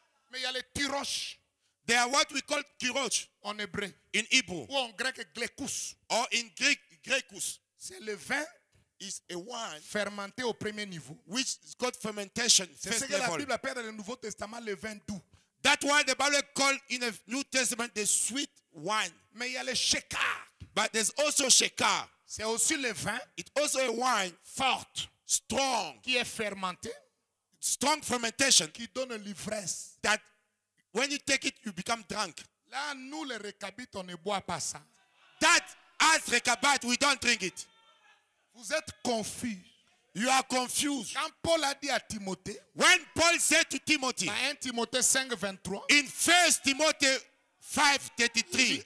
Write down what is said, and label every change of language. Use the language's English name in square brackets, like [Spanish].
[French] Mais il y a les tiroches. [English] They are what we call kiroch. [French] En hébreu. [English] In Hebrew. [French] Ou en grec, glekous. [English] Or in Greek, glekous. [French] C'est le vin. [English] Is a wine. [French] Fermenté au premier niveau. [English] Which got fermentation. [French] C'est ce que la Bible appelle dans le Nouveau Testament le vin doux. [English] That's why the Bible called in the New Testament the sweet wine. [French] Mais il y a le shekar. [English] But there's also shekar. [French] C'est aussi le vin. [English] It's also a wine. [French] Fort. [English] Strong. [French] Qui est fermenté. [English] Strong fermentation. [French] Qui donne l'ivresse. [English] That when you take it, you become drunk. [French] Là, nous, les recabites, on ne boit pas ça. [English] That as recabites, we don't drink it. [French] Vous êtes confus. [English] You are confused. [French] Quand Paul a dit à Timothée. [English] When Paul said to Timothy. [French] Dans 1 Timothée 5, 23. [English] In 1 Timothée 5, 33.